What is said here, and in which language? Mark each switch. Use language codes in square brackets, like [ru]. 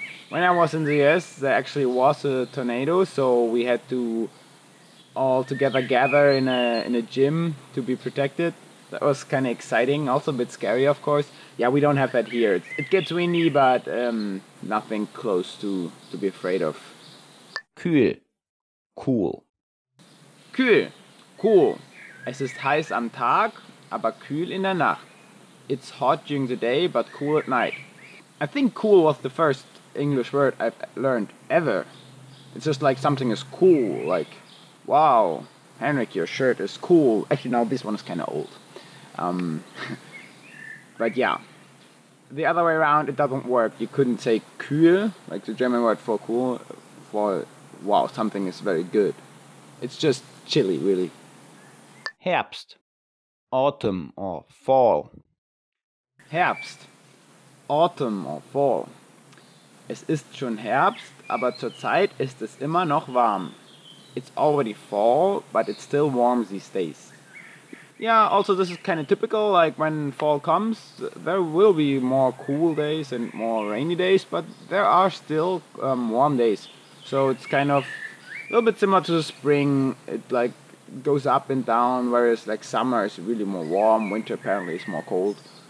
[en] When I was in the US, there actually was a tornado, so we had to all together gather in a gym to be protected. That was kind of exciting, also a bit scary, of course. Yeah, we don't have that here. It gets windy, but nothing close to be afraid of. Kühl, cool. Kühl, cool. [de] Es ist heiß am Tag, aber kühl in der Nacht. [en] It's hot during the day, but cool at night. I think cool was the first English word I've learned ever. It's just like something is cool, like, wow, Henrik, your shirt is cool. Actually, no, this one is kind of old. But yeah, the other way around, it doesn't work. You couldn't say kühl, like the German word for cool, for wow, something is very good. It's just chilly, really. Herbst, autumn or fall. Herbst, autumn or fall. [de] Es ist schon Herbst, aber zurzeit ist es immer noch warm. [en] It's already fall, but it's still warm these days. Yeah, also this is kind of typical, like when fall comes, there will be more cool days and more rainy days, but there are still warm days. So it's kind of a little bit similar to the spring. It like goes up and down, whereas like summer is really more warm, winter apparently is more cold.